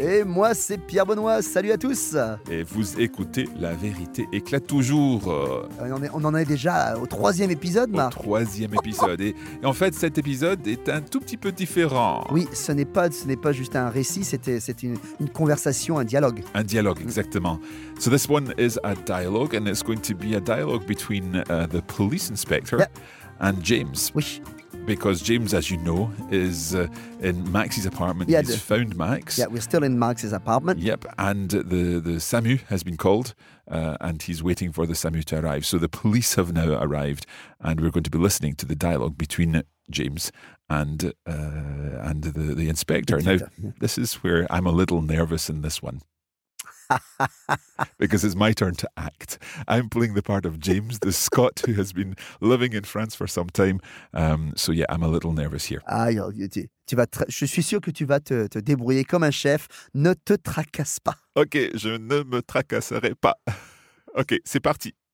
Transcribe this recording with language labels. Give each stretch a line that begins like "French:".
French: Et moi c'est Pierre Benoît. Salut à tous. Et vous écoutez La Vérité Éclate Toujours. On en est déjà au troisième épisode, Marc. Au troisième épisode. Et en fait, cet épisode est un tout petit peu différent. Oui, ce n'est pas juste un récit, c'est une conversation, un dialogue. Un dialogue, exactement.
English: So this one is a dialogue and it's going to be a dialogue between the police inspector and James.
French: Oui.
English: Because James, as you know, is in Max's apartment. Yeah, he's found Max. Yeah, we're still in Max's apartment. Yep, and the SAMU has been called, and he's waiting for the SAMU to arrive. So the police have now arrived, and we're going to be listening to the dialogue between James and the inspector. Now, yeah. This is where I'm a little nervous in this one. Because it's my turn to act. I'm playing the part of James, the Scot who has been living in France for some time. So yeah, I'm a little nervous here.
French: Je suis sûr que tu vas te débrouiller comme un chef. Ne te tracasse pas. Ok, je ne me tracasserai pas. Ok, c'est parti.